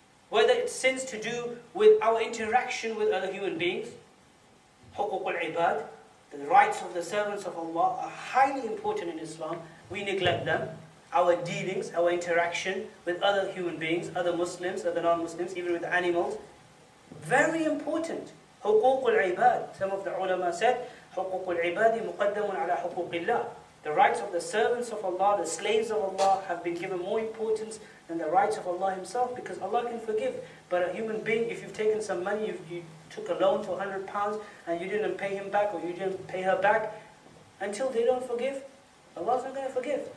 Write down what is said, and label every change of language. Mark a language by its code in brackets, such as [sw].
[en] Whether it's sins to do with our interaction with other human beings, [ar] حقوق العباد, [en] the rights of the servants of Allah are highly important in Islam. We neglect them. Our dealings, our interaction with other human beings, other Muslims, other non-Muslims, even with animals. Very important. [ar] حقوق العباد. [en] Some of the ulama said, [ar] حقوق العباد مقدم على حقوق الله. [en] The rights of the servants of Allah, the slaves of Allah, have been given more importance than the rights of Allah Himself, because Allah can forgive. But a human being, if you've taken some money, you took a loan to £100 and you didn't pay him back or you didn't pay her back, until they don't forgive, Allah's not going to forgive.